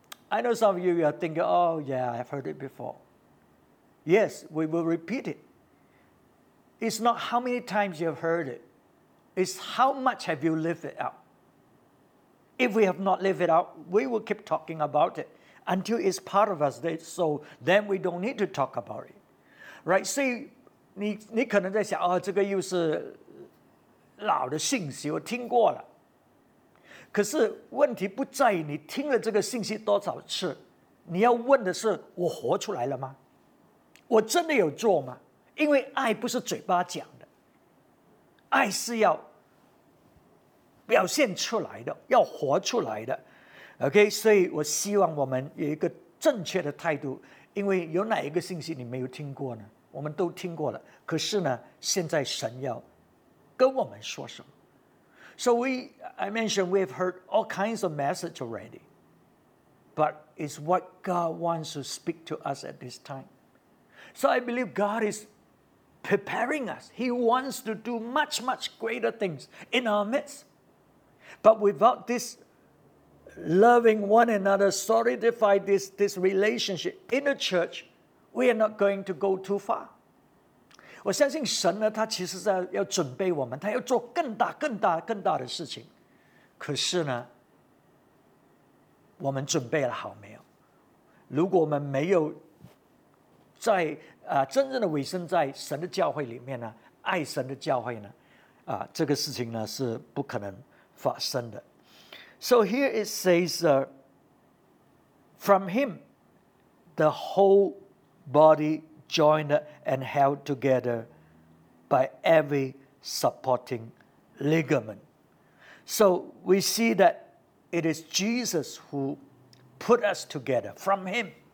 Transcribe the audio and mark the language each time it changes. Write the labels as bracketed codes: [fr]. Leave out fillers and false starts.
[en] I know some of you are thinking, oh yeah, I've heard it before. Yes, we will repeat it. It's not how many times you have heard it. It's how much have you lived it out. If we have not lived it out, we will keep talking about it until it's part of us. So then we don't need to talk about it. Right? See, [zh] 你可能在想，哦，这个又是老的信息，我听过了。可是问题不在于你听了这个信息多少次，你要问的是，我活出来了吗？我真的有做吗？因为爱不是嘴巴讲的，爱是要表现出来的，要活出来的。 OK， 所以我希望我们有一个正确的态度，因为有哪一个信息你没有听过呢？我们都听过了，可是呢，现在神要跟我们说什么 ？ [en] So I mentioned we've heard all kinds of message already, but it's what God wants to speak to us at this time. So I believe God is preparing us. He wants to do much, much greater things in our midst. But without this loving one another, solidify this relationship in the church. We are not going to go too far. [zh] 我相信神呢，他其实在要准备我们，他要做更大、更大、更大的事情。可是呢，我们准备了好没有？如果我们没有在真正的委身在神的教会里面呢，爱神的教会呢，这个事情呢是不可能发生的。 [en] So here it says, from him, the whole. Body joined and held together by every supporting ligament. So we see that it is Jesus who put us together from him.